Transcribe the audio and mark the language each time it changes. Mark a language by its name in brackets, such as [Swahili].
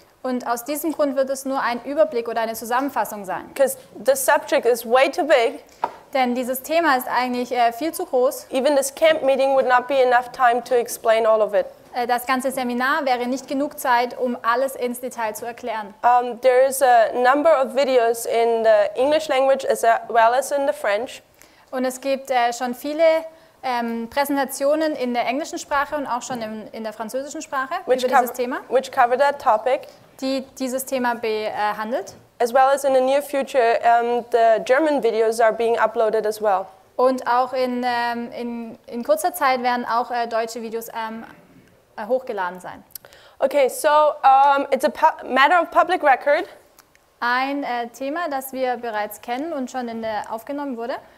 [German] Und aus diesem Grund wird es nur ein Überblick oder eine Zusammenfassung sein. [English] Because the subject is way too big. [German] Denn dieses Thema ist eigentlich viel zu groß. [English] Even this camp meeting would not be enough time to explain all of it. [German] Das ganze Seminar wäre nicht genug Zeit, um alles ins Detail zu erklären. [English] There is a number of videos in the English language as well as in the French. [German] Und es gibt schon viele Präsentationen in der englischen Sprache und auch schon in der französischen Sprache über dieses Thema. [English] Which cover that topic. [German] Die dieses Thema behandelt. [English] As well as in the near future, the German videos are being uploaded as well. [German] Und auch in kurzer Zeit werden auch deutsche Videos hochgeladen sein. [English] Okay, so it's a matter of public record. [German] Ein Thema, das wir bereits kennen und schon in der aufgenommen wurde.